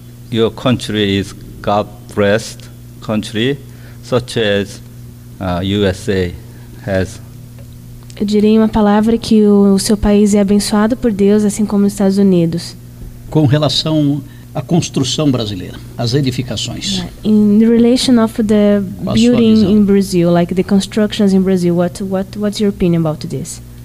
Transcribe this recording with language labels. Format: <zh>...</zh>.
<en>Your country is God-blessed country, such as USA has.</en> <pt>Eu diria uma palavra que o seu país é abençoado por Deus, assim como os Estados Unidos. Com relação à construção brasileira, as edificações.</pt> <en>Yeah. In relation of the building in Brazil, like the constructions in Brazil, what's your opinion about this?</en>